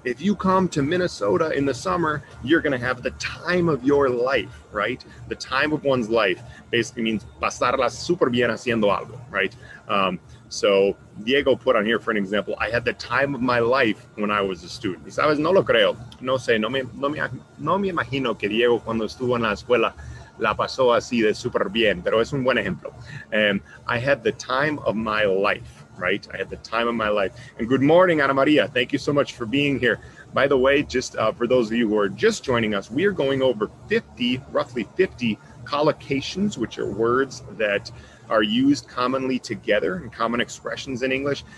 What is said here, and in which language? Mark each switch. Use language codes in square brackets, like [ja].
[en] If you come to Minnesota in the summer, you're gonna have the time of your life, right? The time of one's life basically means pasarla super bien haciendo algo, right? So Diego put on here for an example, I had the time of my life when I was a student. [es] Y sabes, no lo creo. No sé, no me imagino que Diego cuando estuvo en la escuela la pasó así de super bien, pero es un buen ejemplo. [en] I had the time of my life, right? I had the time of my life. And good morning, Ana Maria. Thank you so much for being here. By the way, just for those of you who are just joining us, we are going over 50, roughly 50 collocations, which are words that are used commonly together and common expressions in English.